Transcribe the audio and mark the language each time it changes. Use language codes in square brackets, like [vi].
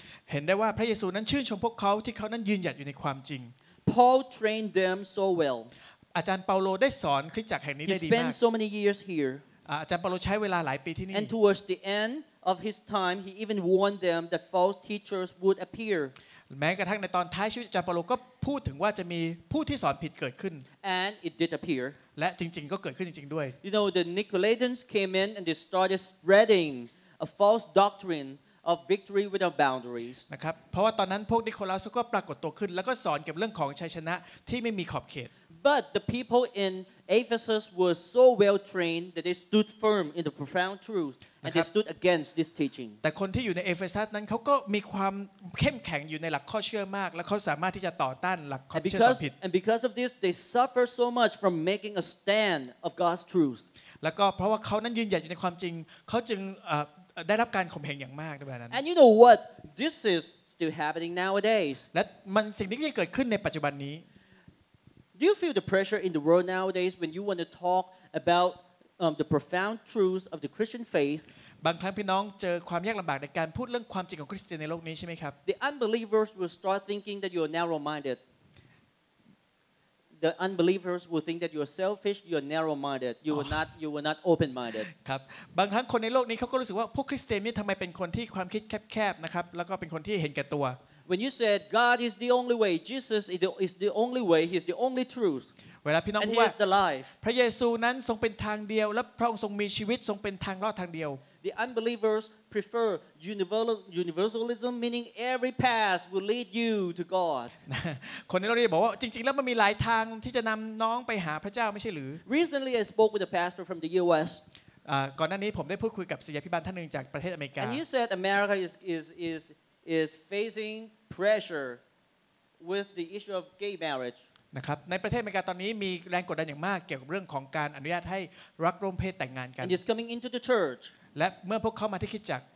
[th] เห็นได้ว่าพระเยซูนั้นชื่นชมพวกเขาที่เขานั้นยืนหยัดอยู่ในความจริง [en] Paul trained them so well [th] อาจารย์เปาโลได้สอนคริสตจักรแห่งนี้ได้ดีมาก [en] He spent so many years here [th] อาจารย์เปาโลใช้เวลาหลายปีที่นี่ [en] And towards the end of his time he even warned them that false teachers would appear [th] แม้กระทั่งในตอนท้ายชีวิตอาจารย์เปาโลก็พูดถึงว่าจะมีผู้ที่สอนผิดเกิดขึ้น [en] And it did appear [th] และจริงๆก็เกิดขึ้นจริงๆด้วย [en] You know the Nicolaitans came in and they started spreading a false doctrineof victory without boundaries [th] นะครับเพราะว่าตอนนั้นพวกนิโคลัสก็ปรากฏตัวขึ้นแล้วก็สอนเกี่ยวกับเรื่องของชัยชนะที่ไม่มีขอบเขต [en] But the people in Ephesus were so well trained that they stood firm in the profound truth and they stood against this teaching [th] แต่คนที่อยู่ในเอเฟซัสนั้นเขาก็มีความเข้มแข็งอยู่ในหลักข้อเชื่อมากและเขาสามารถที่จะต่อต้านหลักความเชื่อสอนผิด [en] And because of this they suffer so much from making a stand of God's truth [th] แล้วก็เพราะว่าเขานั้นยืนหยัดอยู่ในความจริงเขาจึงได้รับการข่มเหงอย่างมากด้วยนั้น [en] And you know what this is still happening nowadays [th] และมันสิ่งนี้ยังเกิดขึ้นในปัจจุบันนี้ [en] Do you feel the pressure in the world nowadays when you want to talk about the profound truths of the Christian faith [th] บางครั้งพี่น้องเจอความยากลำบากในการพูดเรื่องความจริงของคริสเตียนในโลกนี้ใช่ไหมครับ [en] The unbelievers will start thinking that you are narrow-minded The unbelievers will think that you are selfish. You are narrow-minded. You are not. You are not open-minded. [th] ครับบางครั้งคนในโลกนี้เขาก็รู้สึกว่าพวกคริสเตียนนี่ทำไมเป็นคนที่ความคิดแคบๆนะครับแล้วก็เป็นคนที่เห็นแก่ตัว [en] When you said God is the only way, Jesus is the only way. He is the only truth. [th] เวลาพี่น้องพูด ว่าพระเยซูนั้นทรงเป็นทางเดียวและพระองค์ทรงมีชีวิตทรงเป็นทางรอดทางเดียว [en] The unbelievers prefer universalism, meaning every path will lead you to God. [th] คนในโลกนี้บอกว่าจริงๆแล้วมันมีหลายทางที่จะนำน้องไปหาพระเจ้าไม่ใช่หรือ [en] Recently, I spoke with a pastor from the U.S. [th] ก่อนหน้านี้ผมได้พูดคุยกับศิษยาภิบาลท่านนึงจากประเทศอเมริกา [en] And you said America is facing pressure with the issue of gay marriage. [th] นะครับในประเทศอเมริกาตอนนี้มีแรงกดดันอย่างมากเกี่ยวกับเรื่องของการอนุญาตให้รักร่วมเพศแต่งงานกัน [en] And it's coming into the church [th] และเมื่อพวกเขามาที่คริสตจักร